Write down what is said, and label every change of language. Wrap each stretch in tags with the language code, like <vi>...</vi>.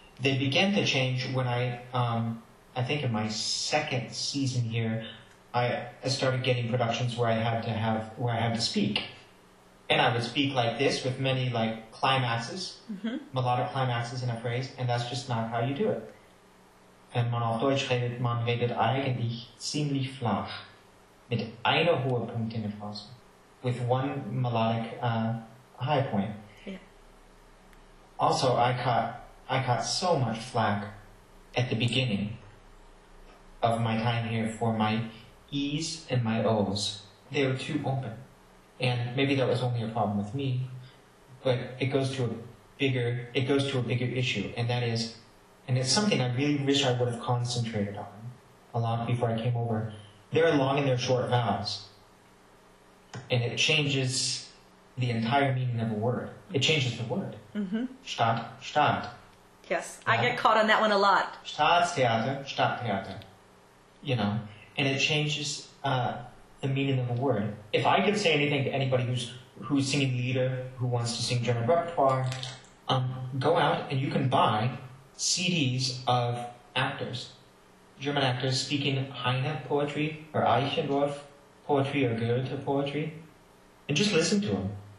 <en>They began to change when I think in my second season here, I started getting productions where I had to speak. And I would speak like this with many like climaxes, melodic climaxes in a phrase, and that's just not how you do it.</en> <de>Wenn man auf Deutsch redet, man redet eigentlich ziemlich flach. Mit einer hohen Punkt in der Phrase.</de> <en>With one melodic high point. Yeah. Also, I caught so much flack at the beginning of my time here for my E's and my O's. They were too open. And maybe that was only a problem with me, but it goes to a bigger issue, and that is, and it's something I really wish I would have concentrated on a lot before I came over. They're long and they're short vowels. And it changes the entire meaning of a word. It changes the word. Mm-hmm.</en> <de>Stadt, Stadt.</de> <en>Yes, I get caught on that one a lot.</en> <de>Staatstheater, Stadttheater.</de> <en>You know, and it changes the meaning of a word. If I could say anything to anybody who's singing Lieder, who wants to sing German repertoire, go out and you can buy CDs of actors, German actors speaking Heine poetry or Eichendorff poetry or Goethe poetry, and just listen to them.</en>